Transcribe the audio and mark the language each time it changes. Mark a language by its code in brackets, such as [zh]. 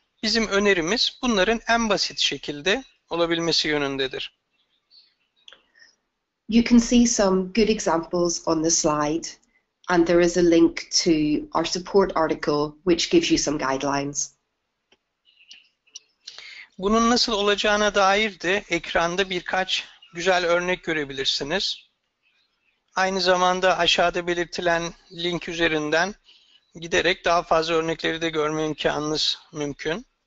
[tr] Bizim önerimiz bunların en basit şekilde olabilmesi yönündedir. [en] You can see some good examples on the slide. And there is a link to our support article, which gives you some guidelines. [tr] Bunun nasıl olacağına dair de ekranda birkaç güzel örnek görebilirsiniz. Aynı zamanda aşağıda belirtilen link üzerinden giderek daha fazla örnekleri de görme imkanınız mümkün.